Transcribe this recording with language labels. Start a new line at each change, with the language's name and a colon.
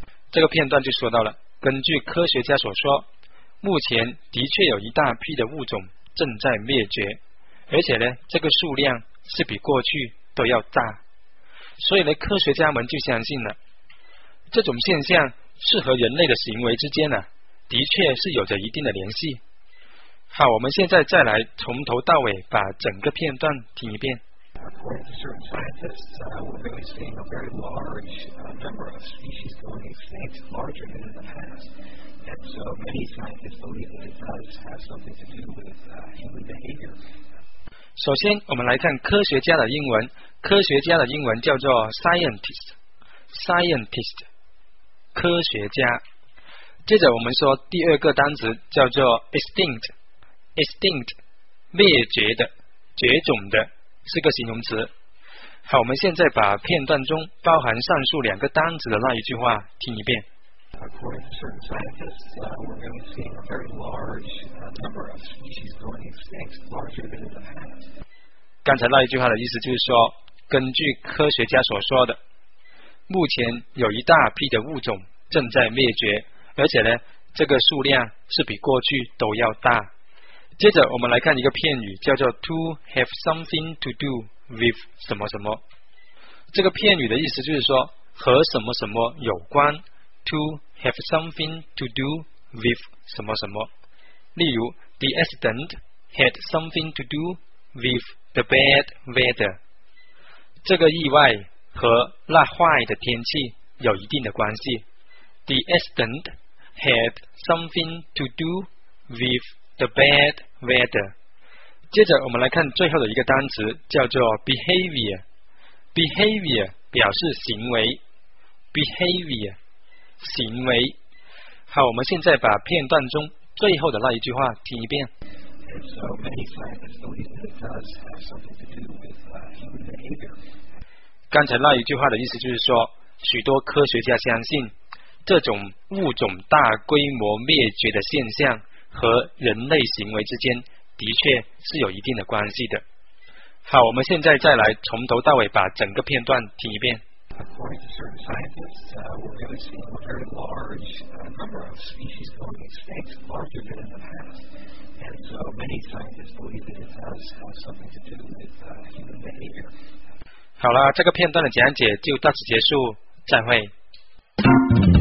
Chinese: 这个片段就说到了，根据科学家所说，目前的确有一大批的物种正在灭绝，而且呢，这个数量是比过去都要大。所以呢，科学家们就相信了，这种现象是和人类的行为之间呢，的确是有着一定的联系。好，我们现在再来从头到尾把整个片段听一遍。
English: According to certain scientists, we're really seeing a very large number of species going extinct, larger than in the past. And so many scientists believe that it does have something to do with human behavior.
Chinese: 首先，我们来看科学家的英文。科学家的英文叫做 scientist， scientist， 科学家。接着我们说第二个单词叫做 extinct， extinct， 灭绝的，绝种的。是个形容词。好，我们现在把片段中包含上述两个单词的那一句话听一遍。
English: According to certain scientists, we're really seeing a very large number of species going extinct, larger than in the past.
Chinese: 刚才那一句话的意思就是说，根据科学家所说的，目前有一大批的物种正在灭绝，而且呢，这个数量是比过去都要大。接着我们来看一个片语，叫做
English: to have something to do with
Chinese: 什么什么。这个片语的意思就是说和什么什么有关，
English: to have something to do with
Chinese: 什么什么。例如
English: the accident had something to do with the bad weather，
Chinese: 这个意外和那坏的天气有一定的关系。
English: the accident had something to do withThe bad weather。
Chinese: 接着我们来看最后的一个单词，叫做 behavior。 behavior 表示行为， behavior 行为。好，我们现在把片段中最后的那一句话听一遍。
English: So many scientists believe that it does have something to do with human behavior。
Chinese: 刚才那一句话的意思就是说，许多科学家相信这种物种大规模灭绝的现象和人类行为之间的确是有一定的关系的。好，我们现在再来从头到尾把整个片段听一遍。
English: According to certain scientists, we're really seeing a very large number of species going extinct, larger than in the past. And so many scientists believe that it does have something to do with human behavior.
Chinese: 好了，这个片段的讲解就到此结束，再会。